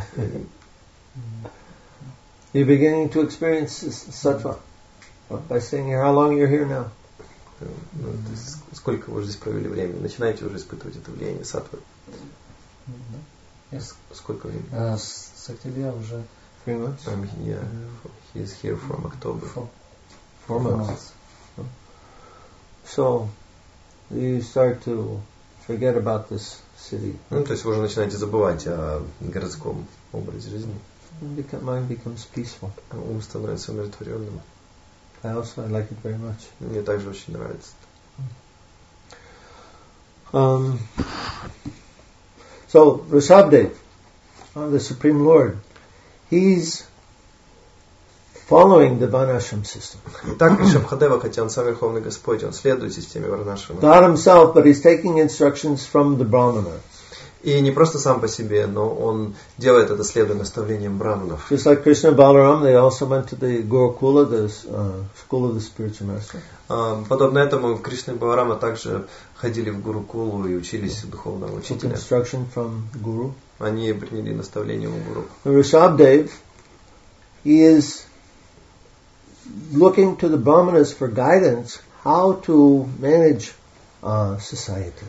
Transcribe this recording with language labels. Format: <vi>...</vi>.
<en>Are you beginning to experience sattva by staying here? How long are you here now?</en> <ru>Сколько вы здесь провели времени? Начинаете уже испытывать это влияние сатвы? Сколько времени? С октября уже.</ru> <en>I'm here. Yeah. He's here from October. Four months. So you start to forget about this city.</en> <ru>Ну, то есть вы уже начинаете забывать о городском образе жизни.</ru> <en>Mind becomes peaceful.</en> <ru>Ум становится умиротворенным.</ru> <en>I like it very much.</en> <ru>Мне также очень нравится.</ru> <en>So Rishabhdev, the Supreme Lord. He's following the Varnashram system.</en> <ru>Итак, Ришабхадева, хотя он сам Верховный Господь, он следует системе Варнашрама.</ru> <en>Not himself, but he's taking instructions from the Brahmana.</en> <ru>И не просто сам по себе, но он делает это следуя наставлениям брахманов.</ru> <en>Just like Krishna and Balaram, they also went to the Gurukula, the school of the spiritual master.</en> <ru>Подобно этому, Кришна и Баларама также ходили в Гурукулу и учились у духовного учителя.</ru> <en>Took instruction from Guru.</en> <ru>Они приняли наставление у Гуру.</ru> <en>Rishabhdev, he is looking to the brahmanas for guidance how to manage society.</en>